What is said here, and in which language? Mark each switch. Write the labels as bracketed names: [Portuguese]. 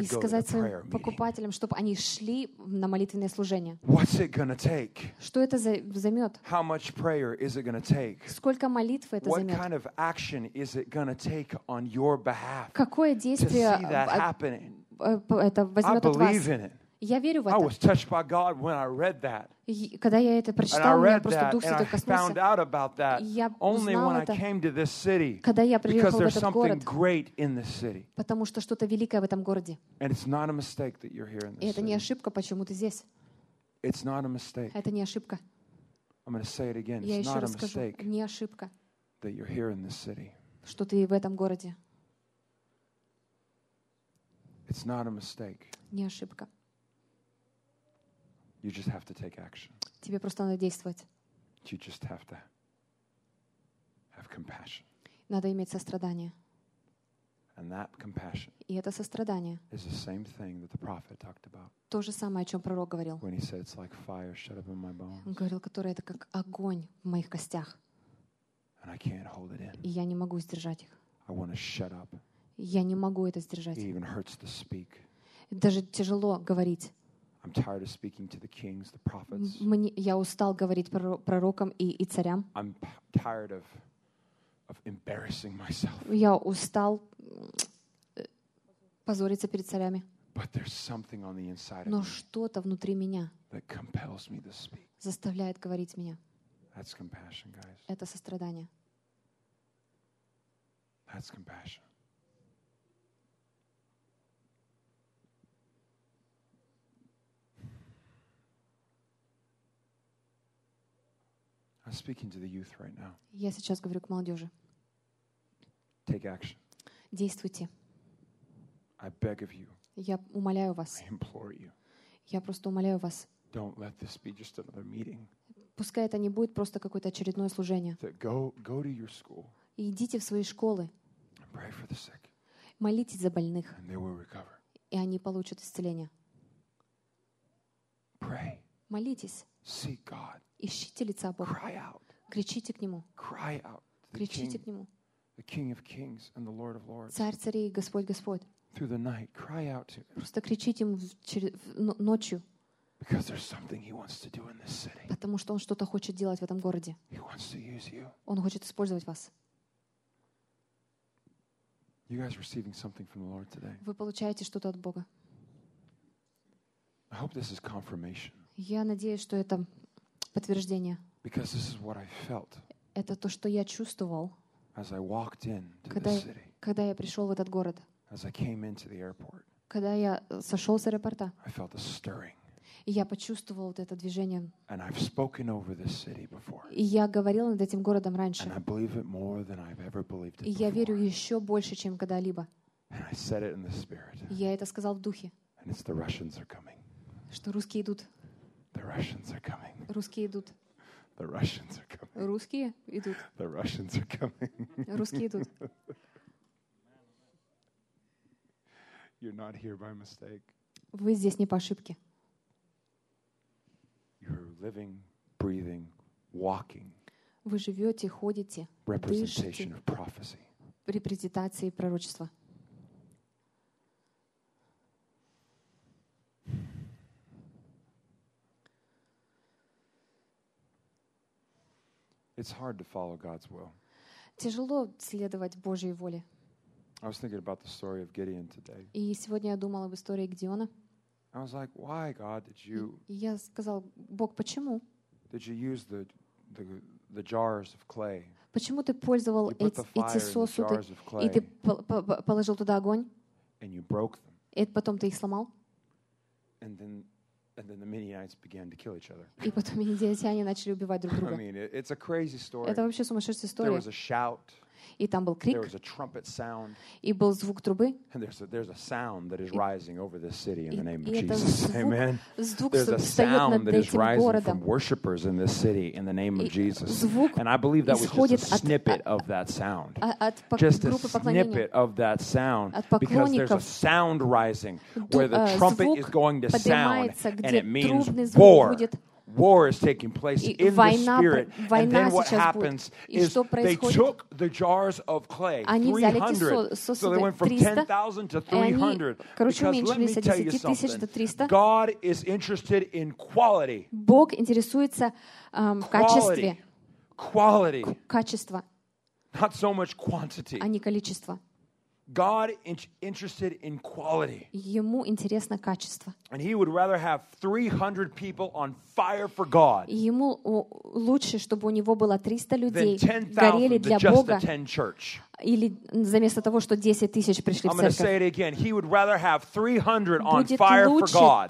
[Russian] и сказать своим покупателям, чтобы они шли на молитвенное служение. [English] What's it gonna take? [Russian] Что это за займет? [English] How much prayer is it gonna take? [Russian] Сколько молитвы это [English] What [Russian] займет? [English] Kind of action is it gonna take on your behalf? [Russian] Какое действие [English] to see that happening? [Russian] Это возьмет [English] I believe [Russian] от вас? [English] In it. [Russian] Я верю в это. [English] I was touched by God when I read that. [Russian] Когда я это прочитал, у меня просто Дух Святой коснулся. [English] And I found out about that only when I came to this city. [Russian] Когда я приехал в этот город. [English] Because there's something great in this city. [Russian] Потому что что-то великое в этом городе. [English] And it's not a mistake that you're here in this city. [Russian] И это не ошибка, почему ты здесь. [English] It's not a mistake. [Russian] Это не ошибка. [English] I'm going to say it again. It's not a mistake. [Russian] Не ошибка. [English] That you're here in this city. [Russian] Что ты в этом городе. [English] It's not a mistake. [Russian] Не ошибка. [English] You just have to take action. [Russian] Тебе просто надо действовать. [English] You just have to have compassion. [Russian] Надо иметь сострадание. [English] And that compassion. [Russian] И это сострадание. [English] Is the same thing that the prophet talked about. [Russian] То же самое, о чем пророк говорил. [English] When he said it's like fire shut up in my bones. [Russian] Он говорил, которое это как огонь в моих костях. [English] And I can't hold it in. [Russian] И я не могу сдержать их. [English] I want to shut up. [Russian] Я не могу это сдержать. [English] It even hurts to speak. [Russian] Даже тяжело говорить. [English] I'm tired of speaking to the kings, the prophets. [Russian] Я устал говорить пророкам и царям. [English] I'm tired of embarrassing myself. [Russian] Я устал позориться перед царями. [English] But there's something on the inside of me. [Russian] Но что-то внутри меня. [English] That compels me to speak. [Russian] Заставляет говорить меня. [English] That's compassion, guys. [Russian] Это сострадание. [English] That's compassion. I'm speaking to the youth right now. [Russian] Я сейчас говорю к молодёжи. [English] Take action. [Russian] Действуйте. [English] I beg of you. [Russian] Я умоляю вас. [English] I implore you. [Russian] Я просто умоляю вас. [English] Don't let this be just another meeting. [Russian] Пускай это не будет просто какое-то очередное служение. [English] Go to your school. [Russian] Идите в свои школы. [English] Pray for the sick. [Russian] Молитесь за больных. [English] And they will recover. [Russian] И они получат исцеление. [English] Pray. [Russian] Молитесь. [English] Seek God. [Russian] Ищите лица Бога. [English] Cry out. [Russian] Кричите к Нему. [English] Cry out. [Russian] Кричите к Нему. [English] The King of Kings and the Lord of Lords. [Russian] Царь царей и Господь Господь. [English] Through the night, cry out to Him. [Russian] Просто кричите Ему ночью. [English] Because there's something He wants to do in this city. [Russian] Потому что Он что-то хочет делать в этом городе. [English] He wants to use you. [Russian] Он хочет использовать вас. [English] You guys receiving something from the Lord today? [Russian] Вы получаете что-то от Бога. [English] I hope this is confirmation. [Russian] Я надеюсь, что это подтверждение. [English] Because this is what I felt. [Russian] Это то, что я чувствовал. [English] As I walked into the city. [Russian] Когда я пришел в этот город. [English] As I came into the airport. [Russian] Когда я сошел с аэропорта. [English] I felt a stirring. [Russian] Я почувствовал вот это движение. [English] And I've spoken over this city before. [Russian] И я говорил над этим городом раньше. [English] And I believe it more than I've ever believed it before. [Russian] И я верю еще больше, чем когда-либо. [English] And I said it in the spirit. [Russian] Я это сказал в духе. [English] And it's the Russians are coming. [Russian] Что русские идут. [English] The Russians are coming. [Russian] Русские идут. [English] The Russians are coming. [Russian] Русские идут. [English] The Russians are coming. [Russian] Русские идут. [English] You're not here by mistake. [Russian] Вы здесь не по ошибке. [English] You're living, breathing, walking. [Russian] Вы живете, ходите, [English] representation of prophecy. [Russian] Репрезентации пророчества. [English] It's hard to follow God's will. [Russian] Тяжело следовать Божьей воле. [English] I was thinking about the story of Gideon today. [Russian] И сегодня я думала об истории Гедеона. [English] I was like, why, God, did you? [Russian] Я сказал, Бог, почему? [English] Did you use the jars of clay? [Russian] Почему ты пользовал эти сосуды и ты положил туда огонь? [English] And you broke them. [Russian] И потом ты их сломал? [English] And then the Midianites began to kill each other. [Russian] И потом Мидианитяне начали убивать друг друга. [English] I mean, it's a crazy story. [Russian] Это вообще сумасшедшая история. [English] There was a shout. [Russian] И там был крик. [English] There was a trumpet sound. [Russian] И был звук трубы. [English] And there's a sound that is rising over this city in the name of Jesus. Amen. There's a sound that is rising from worshipers in this city in the name of Jesus. [Russian] Звук. [English] And I believe that was just a snippet of that sound. Just a snippet of that sound. Because there's a sound rising where the trumpet is going to sound, and it means war. War is taking place in the spirit. And then what happens is they took the jars of clay, 300. So they went from 10,000 to 300. Because let me tell you something. God is interested in quality. [Russian] Бог интересуется качестве. [English] Quality. [Russian] Качество. [English] Not so much quantity. [Russian] А не количество. [English] God interested in quality. [Russian] Ему интересно качество. [English] And he would rather have 300 people on fire for God. [Russian] Ему лучше, чтобы у него было 300 людей горели для Бога. Или вместо того, что 10,000 пришли в церковь. [English] I'm going to say it again. He would rather have 300 on fire for God.